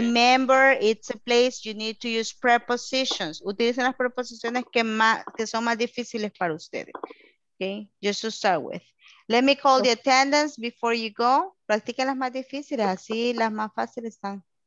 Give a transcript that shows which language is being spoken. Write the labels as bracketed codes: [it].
[en] Remember, it's a place you need to use prepositions. [es] Utilicen las preposiciones que son más difíciles para ustedes. [en] Okay, just to start with. Let me call the attendance before you go. [es] Practiquen las más difíciles, así las más fáciles están.